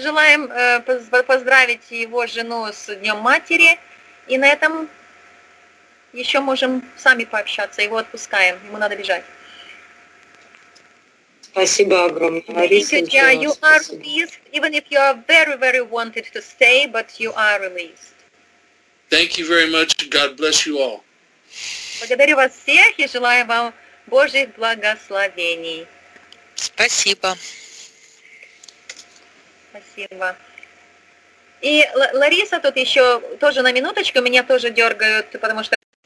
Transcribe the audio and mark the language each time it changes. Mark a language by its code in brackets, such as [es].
[ru] Желаем поздравить его жену с Днем Матери. И на этом еще можем сами пообщаться. Его отпускаем. Ему надо бежать. Спасибо огромное, Лариса. [en] Yeah, you are released, even if you are very, very wanted to stay, but you are released. Thank you very much. God bless you all. [ru] Благодарю вас всех и желаю вам Божьих благословений. Спасибо. Спасибо. И Лариса тут еще тоже на минуточку, меня тоже дергают, потому что